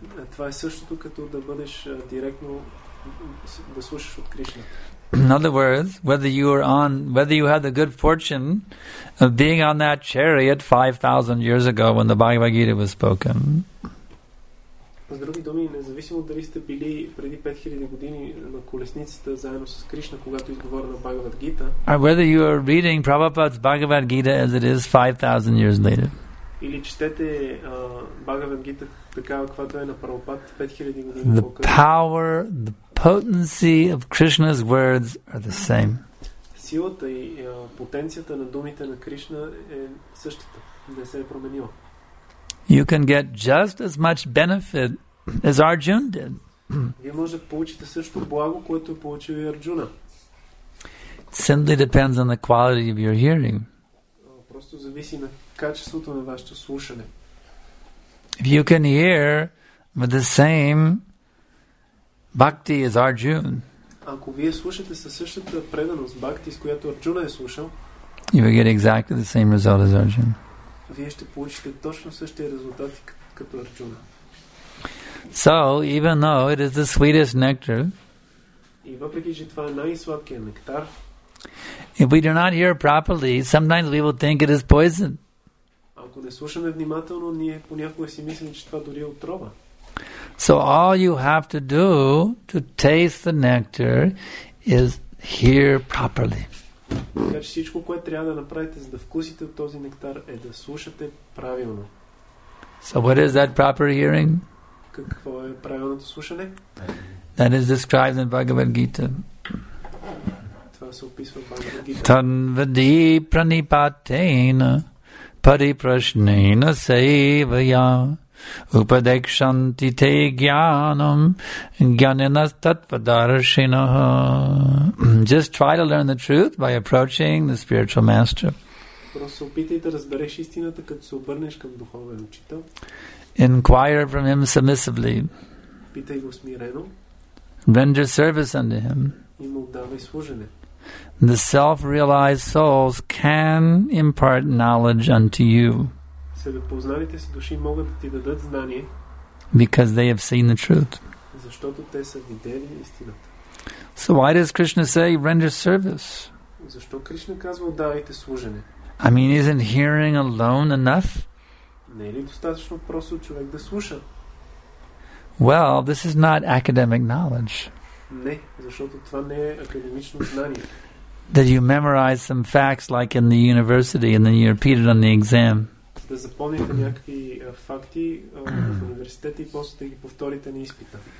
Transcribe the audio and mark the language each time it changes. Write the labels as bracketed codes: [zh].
[bg] Това е същото като да бъдеш директно да слушаш от Кришна. [en] In other words, whether you had the good fortune of being on that chariot 5,000 years ago when the Bhagavad Gita was spoken. [bg] С други думи, независимо дали сте били преди 5000 години на колесницата заедно с Кришна, когато изговорена Бхагавад Гита. [en] Or whether you are reading Prabhupada's Bhagavad Gita as it is 5,000 years later. [bg] Или четете Бхагавад Гита такава, каквато е на Прабхупад 5000 години по-късно. [en] The power, the potency of Krishna's words are the same. [bg] Силата и потенцията на думите на Кришна е същата, не се е променила. [en] You can get just as much benefit as Arjuna did. [bg] Вие може да получите същото благо, което получил и Арджуна. [en] Simply depends on the quality of your hearing. [bg] Просто зависи на качеството на вашето слушане. [en] If you can hear with the same bhakti as Arjuna, [bg] ако вие слушате със същата преданост бхакти, с която Арджуна е слушал, [en] you will get exactly the same result as Arjuna. [bg] Вие ще получите точно същия резултат като Арджуна. [en] So, even though it is the sweetest nectar, [bg] и въпреки че това е най-сладкият нектар, [en] if we do not hear properly, sometimes we will think it is poison. [bg] Ако не слушаме внимателно, ние понякога си мислим, че това дори е отрова. [en] So all you have to do to taste the nectar is hear properly. [bg] Така че всичко, което трябва да направите, за да вкусите от този нектар, е да слушате правилно. [en] So what is that proper hearing? [bg] Какво е правилното слушане? [en] That is described in Bhagavad Gita. [bg] Това се описва в Bhagavad Gita. [sa] Tanvadi pranipatena pariprashnena sevaya upadekshanti te jnanam jnaninastatvadarshinah. [en] Just try to learn the truth by approaching the spiritual master. [bg] Просто опитай да разбереш истината, като се обърнеш към духовен учител. [en] Inquire from him submissively. [bg] Питай го смирено. [en] Render service unto him. [bg] И му давай служене. [en] The self-realized souls can impart knowledge unto you. [bg] Себепозналите си души могат да ти дадат знание. [en] Because they have seen the truth. [bg] Защото те са видели истината. [en] So why does Krishna say render service? [bg] Защо Кришна казва отдавайте служене? [en] I mean, isn't hearing alone enough? [bg] Не е ли достатъчно просто човек да слуша? [en] Well, this is not academic knowledge. [bg] Не, защото това не е академично знание. [en] That you memorize some facts like in the university and then you repeat it on the exam. [bg] Да запомните някакви факти в университета и после да ги повторите на изпита.